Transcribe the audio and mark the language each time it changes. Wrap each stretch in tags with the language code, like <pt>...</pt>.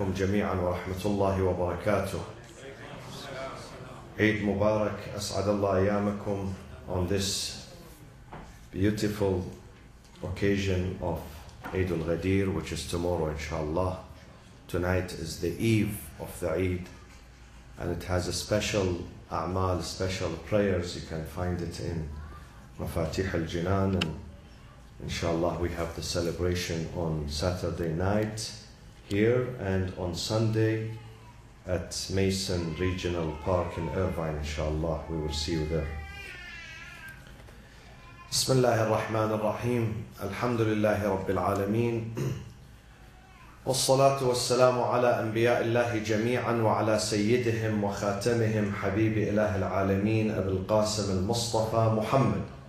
<ar>عليكم جميعا ورحمة الله وبركاته. عيد مبارك، أسعد الله أيامكم</ar> <en>on this beautiful occasion of عيد الغدير, which is tomorrow inshallah. Tonight is the eve of the Eid, and it has a special أعمال, special prayers. You can find it in مفاتيح الجنان, and inshallah we have the celebration on Saturday night here and on Sunday at Mason Regional Park in Irvine. Inshallah we will see you there.</en> <ar>بسم الله الرحمن الرحيم. الحمد لله رب العالمين, والصلاة والسلام على أنبياء الله جميعا وعلى سيدهم وخاتمهم حبيب إله العالمين أبي القاسم المصطفى محمد.</ar>